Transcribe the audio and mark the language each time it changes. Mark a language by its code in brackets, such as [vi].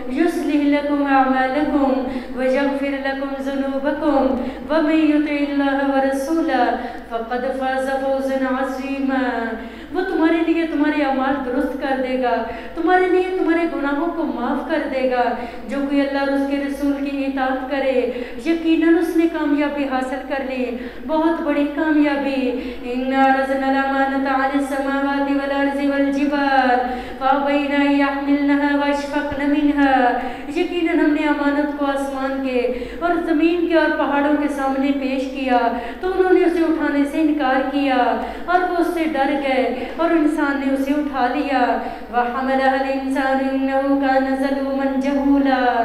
[ar] یصلح لکم اعمالکم ویغفر لکم ذنوبکم ومن یطع اللہ ورسولہ فقد فاز فوزا عظیما. [ur] وہ تمہارے لیے تمہارے اعمال درست کر دے گا, تمہارے لیے تمہارے گناہوں کو معاف کر دے گا. جو کوئی اللہ اور اس کے رسول کی اطاعت کرے, یقیناً اس نے کامیابی حاصل کر لی, بہت بڑی کامیابی. [ar] انا عرضنا الامانۃ علی السماوات والارض والجبال فابین یحملنها واشفقن منها. [ur] یقیناً ہم نے امانت کو آسمان کے اور زمین کے اور پہاڑوں کے سامنے پیش کیا, تو انہوں نے اسے اٹھانے سے انکار کیا اور وہ اس سے ڈر گئے اور انسان نے اسے اٹھا لیا. [ar] وحملها الانسان انه كان ظلوما جهولا.